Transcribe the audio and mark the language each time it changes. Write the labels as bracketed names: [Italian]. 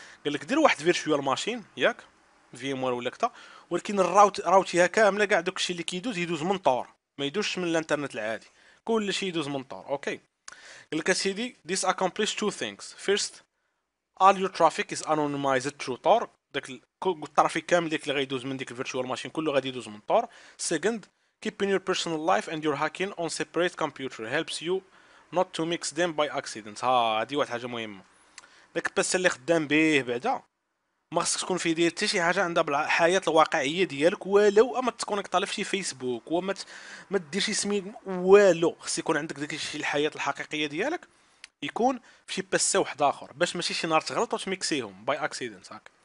[Arabic] قال لك دير واحد فيرتشوال ماشين ياك في ام وير ولا كذا، ولكن الراوت راوتيها كامله كاع دوك الشيء اللي كيدوز يدوز من طور، ما يدوزش من الانترنت العادي، كل شيء يدوز من طور. اوكي قال لك سيدي [English] this accomplish two things first all your traffic is anonymized through tor، [Arabic] داك الترافيك كامل ديك اللي غيدوز من ديك الفيرتشوال ماشين كله غادي يدوز من طور. [English] second keeping your personal life and your hacking on separate computer helps you not to mix them by accident. [Arabic] هادي واحد حاجه مهمه، داك الباس اللي خدام بيه بعدا ما خصكش تكون فيه ديال حتى شي حاجه عندها بالحياه الواقعيه ديالك، ولو اما تكونكتي في شي فيسبوك وما ما ديرش اسمي والو، خص يكون عندك داك الشيء الحياه الحقيقيه ديالك يكون في شي باسه واحد اخر باش ماشي شي نهار تغلط وتميكسيهم [English] By accident.